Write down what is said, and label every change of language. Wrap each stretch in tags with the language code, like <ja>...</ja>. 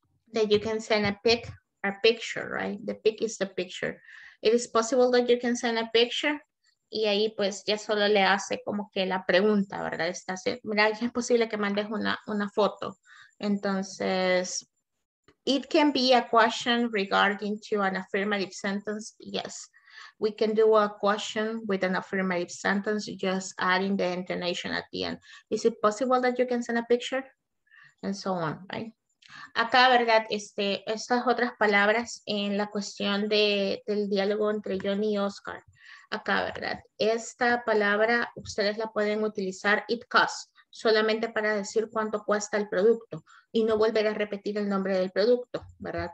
<en>That you can send a pic, a picture, right? The pic is the picture. It is possible that you can send a picture.</en> <es>Y ahí pues ya solo le hace como que la pregunta, ¿verdad? Está así, mira, ya es posible que mandes una foto.</es> <en>Entonces, it can be a question regarding to an affirmative sentence. Yes, we can do a question with an affirmative sentence, just adding the intonation at the end. Is it possible that you can send a picture? And so on, right?</en> <es>Acá, ¿verdad? Estas otras palabras en la cuestión del diálogo entre John y Oscar. Acá, ¿verdad? Esta palabra ustedes la pueden utilizar, it costs, solamente para decir cuánto cuesta el producto y no volver a repetir el nombre del producto, ¿verdad?</es>